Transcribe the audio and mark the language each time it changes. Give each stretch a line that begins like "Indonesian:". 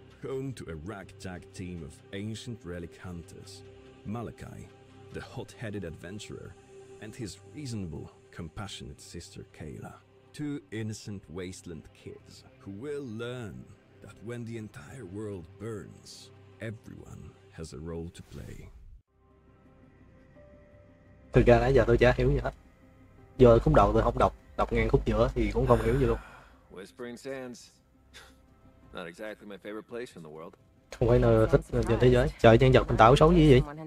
English: Home to a ragtag team of ancient relic hunters, Malachi, the hot-headed adventurer, and his reasonable, compassionate sister Kayla. Two innocent wasteland kids who will learn that when the entire world burns, everyone has a role to play.
Vietnamese: Thực ra nãy giờ tôi chả hiểu gì hết. Giờ khúc đầu tôi không đọc, đọc ngang khúc giữa thì cũng không hiểu gì luôn.
English: Whispering Sands. Not exactly my favorite place in the world.
Vietnamese: Không phải nơi thích trên thế giới. Trời, nhân vật mình tạo xấu gì vậy?